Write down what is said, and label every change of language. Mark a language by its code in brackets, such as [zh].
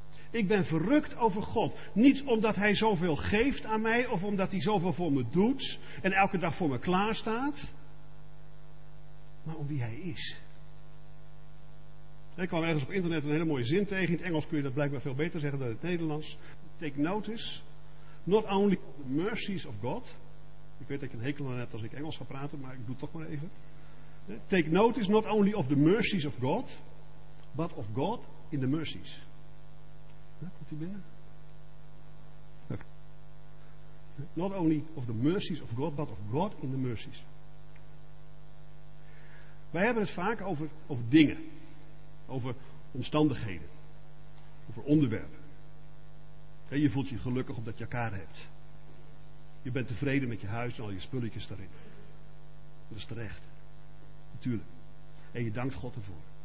[nl] Ik ben verrukt over God. Niet omdat hij zoveel geeft aan mij, of omdat hij zoveel voor me doet en elke dag voor me klaarstaat. Maar om wie hij is. Ik kwam ergens op internet een hele mooie zin tegen. In het Engels kun je dat blijkbaar veel beter zeggen dan in het Nederlands. [en] Take notice. Not only the mercies of God. [nl] Ik weet dat je een hekel aan hebt als ik Engels ga praten, maar ik doe het toch maar even. [en] Take notice not only of the mercies of God, but of God in the mercies. [nl] Ja, komt u binnen? [en] Not only of the mercies of God, but of God in the mercies. [nl] Wij hebben het vaak over dingen. Over omstandigheden. Over onderwerpen. Je voelt je gelukkig omdat je elkaar hebt. Je bent tevreden met je huis en al je spulletjes daarin. Dat is terecht. Natuurlijk. En je dankt God ervoor.